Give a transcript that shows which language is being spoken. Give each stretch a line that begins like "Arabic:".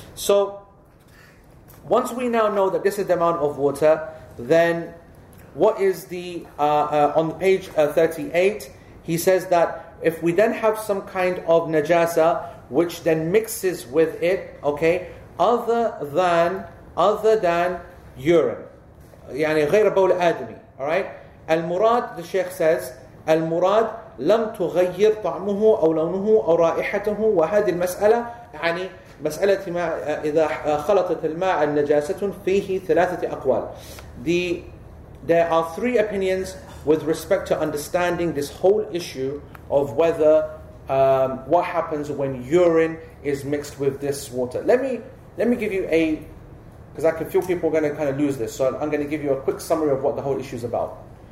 English: So, once we now know that this is the amount of water, then what is the, on page 38, he says that if we then have some kind of najasa, which then mixes with it, okay, other than urine.
Arabic: يعني غير بول آدمي.
English: Alright?
Arabic: المراد,
English: the Sheikh says,
Arabic: المراد لم تغير طعمه أو لونه أو رائحته وهذه المسألة يعني مسألة ما إذا خلطت الماء النجاسة فيه ثلاثة أقوال.
English: There are three opinions with respect to understanding this whole issue of whether what happens when urine is mixed with this water. Let me give you a, because I can feel people are going to kind of lose this, so I'm going to give you a quick summary of what the whole issue is about.